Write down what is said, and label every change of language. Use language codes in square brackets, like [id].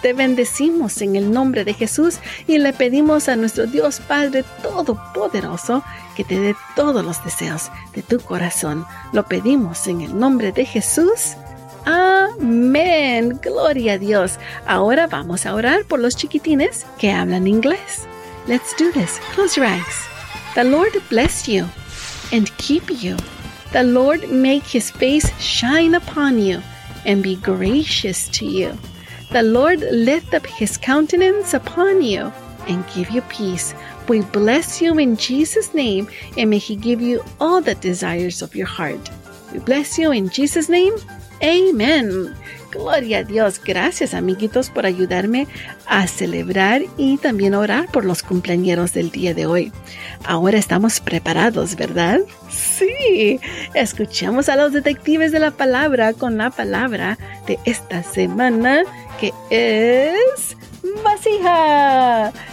[es] Te bendecimos en el nombre de Jesús y le pedimos a nuestro Dios Padre Todopoderoso que te dé todos los deseos de tu corazón. Lo pedimos en el nombre de Jesús. ¡Amén! ¡Gloria a Dios! Ahora vamos a orar por los chiquitines que hablan inglés. [en] Let's do this. Close your eyes. The Lord bless you and keep you. The Lord make His face shine upon you and be gracious to you. The Lord lift up His countenance upon you and give you peace. We bless you in Jesus' name and may He give you all the desires of your heart. We bless you in Jesus' name. [es] Amén. Gloria a Dios. Gracias, amiguitos, por ayudarme a celebrar y también orar por los cumpleaños del día de hoy. Ahora estamos preparados, ¿verdad? Sí. Escuchemos a los detectives de la palabra con la palabra de esta semana, que es vasija.